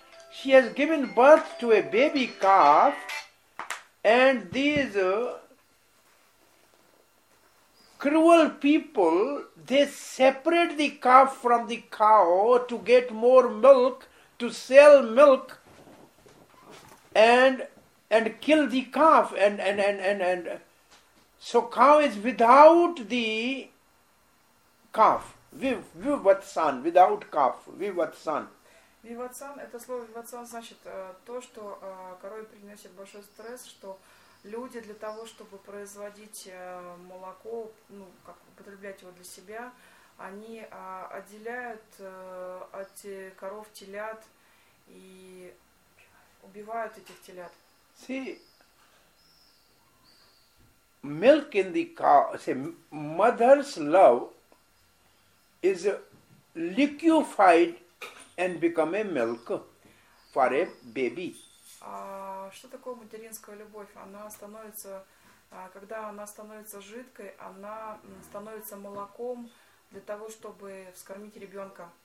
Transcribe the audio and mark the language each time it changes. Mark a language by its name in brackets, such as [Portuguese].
[English] She has given birth to a baby calf and these cruel people, they separate the calf from the cow to get more milk, to sell milk and kill the calf and so cow is without the calf. Vivatsan, without calf. Vivatsan. [Russian] Vivatsan, это слово vivatsan значит то, что корове приносит большой стресс, что люди для того, чтобы производить молоко, ну, как употреблять его для себя, они отделяют от коров телят и убивают этих телят. [English] See, milk in the cow, see, mother's love is liquefied and become a milk for a baby. [Russian] Что такое материнская любовь? Она становится, когда она становится жидкой, она становится молоком для того, чтобы вскормить ребенка.